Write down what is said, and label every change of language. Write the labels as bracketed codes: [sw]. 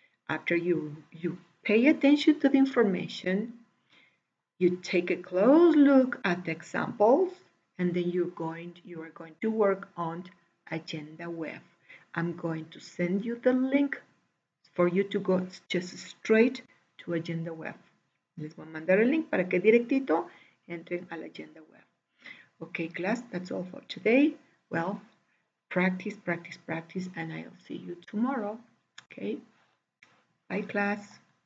[en] After you pay attention to the information, you take a close look at the examples, and then you are going to work on Agenda Web. I'm going to send you the link for you to go just straight to Agenda Web. [es] Les voy a mandar el link para que directito entren a la Agenda Web. [en] Okay, class, that's all for today. Well, practice, practice, practice, and I'll see you tomorrow. Okay? Bye, class.